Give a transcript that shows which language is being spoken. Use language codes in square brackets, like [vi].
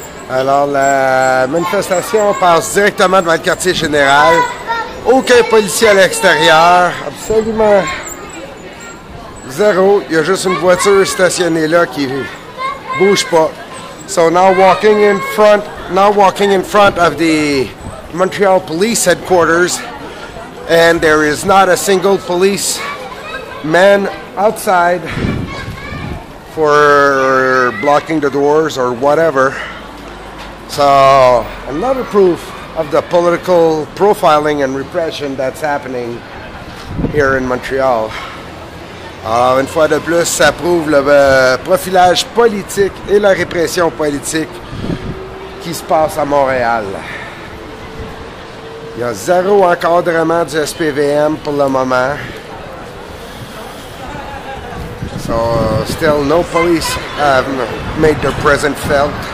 [fr] Alors, la manifestation passe directement devant le quartier général. Aucun policier à l'extérieur. Absolument zéro. Il y a juste une voiture stationnée là qui bouge pas. [en] So, now walking in front of the Montreal Police Headquarters. And there is not a single police man outside for blocking the doors or whatever. So, another proof of the political profiling and repression that's happening here in Montreal. [fr] Alors, une fois de plus, ça prouve le profilage politique et la répression politique qui se passe à Montréal. Il y a zéro encadrement du SPVM pour le moment. [en] So, still no police have made their presence felt.